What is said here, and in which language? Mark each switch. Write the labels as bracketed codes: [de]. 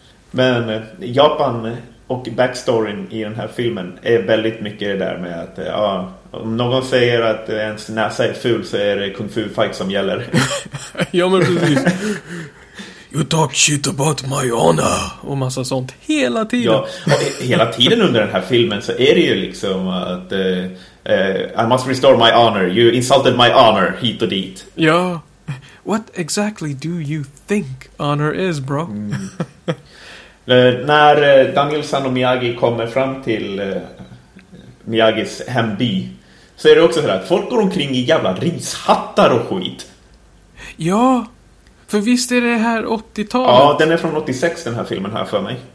[sv] Men Japan och backstoryn i den här filmen är väldigt mycket det där med att om någon säger att ens näsa är ful så är det kung fu fight som gäller. [en] Ja, men precis. You talk shit about my honor. [sv] Och massa sånt hela tiden. Ja, hela tiden under den här filmen så är det ju liksom att [en] I must restore my honor. [sv] You insulted my honor hit och dit. Ja, [en] What exactly do you think honor is, bro? Mm. [sv] När Daniel-san och Miyagi kommer fram till Miyagis hemby, så är det också så här att folk går omkring i jävla rishattar och skit. Ja, för visst är det här 80-talet? Ja, den är från 86 den här filmen här för mig.